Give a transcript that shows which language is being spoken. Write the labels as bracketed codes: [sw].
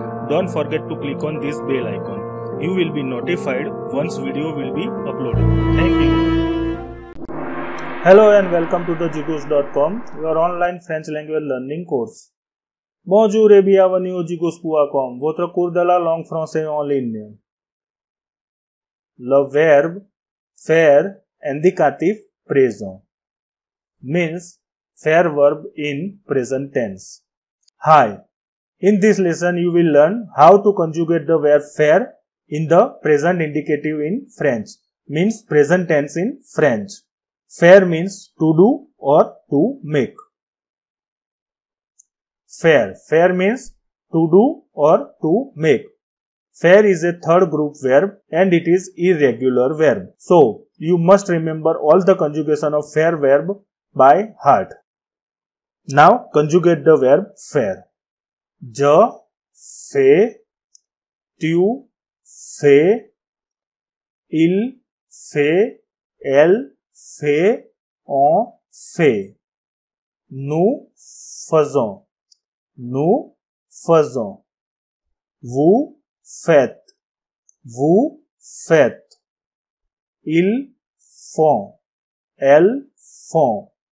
[en] Don't forget to click on this bell icon. You will be notified once video will be uploaded. Thank you. Hello and welcome to the Jigu's.com, your online French language learning course. [fr] Bonjour et bienvenue au Jigu's.com, votre cours de la langue française en ligne. Le verbe faire indicatif présent [en] means faire verb in present tense. Hi, in this lesson you will learn how to conjugate the verb faire in the present indicative in French, means present tense in French. Faire means to do or to make. Faire means to do or to make. Faire is a third group verb and it is irregular verb. So, you must remember all the conjugation of faire verb by heart. Now conjugate the verb faire. [fr] Je fais, tu fais, il fait, elle fait, on fait. Nous faisons, vous faites, ils font, elles font.